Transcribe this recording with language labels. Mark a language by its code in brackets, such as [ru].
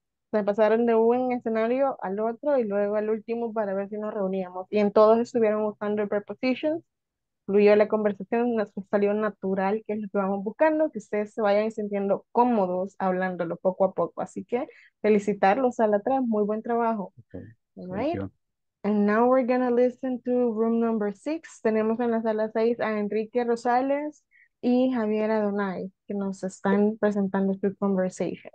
[es] Se pasaron de un escenario al otro y luego al último para ver si nos reuníamos. Y en todos estuvieron usando prepositions. Fluyó la conversación, salió natural, que es lo que vamos buscando, que ustedes se vayan sintiendo cómodos hablándolo poco a poco. Así que felicitarlos a la atrás, muy buen trabajo. [en] Okay. Right. And now we're going to listen to room number 6. [es] Tenemos en la sala 6 a Enrique Rosales y Javier Adonai, que nos están presentando su conversation.